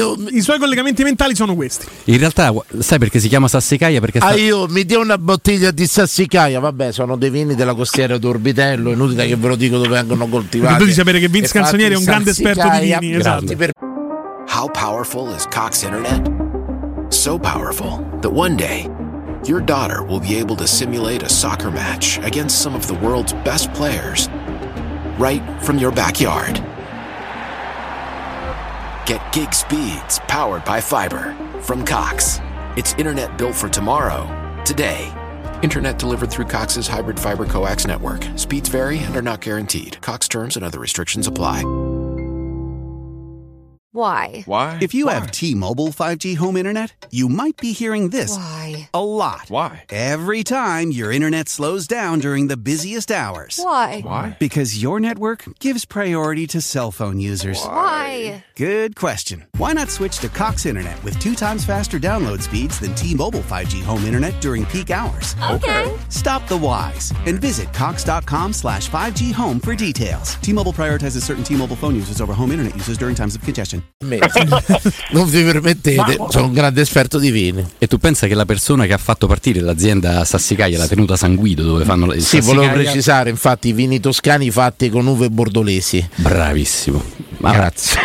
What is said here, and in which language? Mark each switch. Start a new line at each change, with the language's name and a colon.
Italian: I suoi collegamenti mentali sono questi. In realtà, sai perché si chiama Sassicaia? Perché aio, mi dia una bottiglia di Sassicaia. Vabbè, sono dei vini della costiera d'Orbitello, inutile che ve lo dico dove vengono coltivati. Tu devi sapere che Vince Canzonieri è un grande esperto di vini, esatto.
English: How powerful is Cox Internet? So powerful that one day your daughter will be able to simulate a soccer match against some of the world's best players right from your backyard. Get gig speeds powered by fiber from Cox. It's internet built for tomorrow, today. Internet delivered through Cox's hybrid fiber coax network. Speeds vary and are not guaranteed. Cox terms and other restrictions apply. Why? If you have T-Mobile 5G home internet, you might be hearing this a lot. Why? Every time your internet slows down during the busiest hours. Why? Because your network gives priority to cell phone users. Why? Good question. Why not switch to Cox Internet with 2x faster download speeds than T-Mobile 5G home internet during peak hours? Okay. Stop the whys and visit cox.com/5G home for details. T-Mobile prioritizes certain T-Mobile phone users over home internet users during times of congestion.
Italian: Non vi permettete, sono un grande esperto di vini. E tu pensa che la persona che ha fatto partire l'azienda Sassicaia, la tenuta San Guido, dove fanno il Sassicaia? Sì, volevo precisare, infatti, i vini toscani fatti con uve bordolesi. Bravissimo. Grazie.